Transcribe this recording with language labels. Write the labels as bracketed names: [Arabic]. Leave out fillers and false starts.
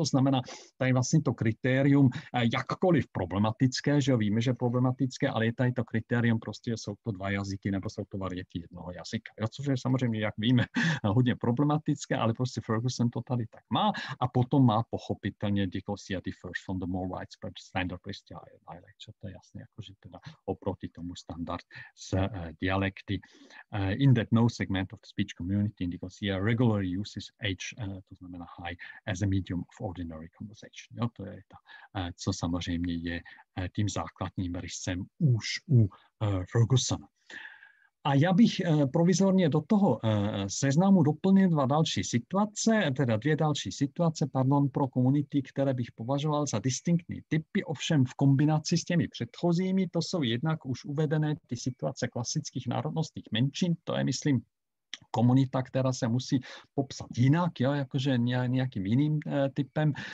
[Czech] To znamená, tady vlastně to kritérium, jakkoliv problematické, že jo, víme, že problematické, ale je tady to kritérium, prostě jsou to dva jazyky, nebo jsou to variety jednoho jazyka, jo, což je samozřejmě, jak víme, hodně problematické, ale prostě Ferguson to tady tak má a potom má pochopitelně [English] diglosia differs from the more widespread standard Christian dialect, [Czech] to je jasné, jakože teda oproti tomu standard s dialekty. [English] In that no segment of the speech community in diglosia regularly uses H, [Czech] to znamená [English] high, as a medium of ordinary conversation. [Czech] Jo, to je to, co samozřejmě je tím základním rysem už u Fergusona. A já bych provizorně do toho seznamu doplnil dvě další situace, pro komunity, které bych považoval za distinktní typy, ovšem v kombinaci s těmi předchozími, to jsou jednak už uvedené ty situace klasických národnostních menšin, to je, myslím, komunita, která se musí popsat jinak, jo, jakože nějakým jiným typem.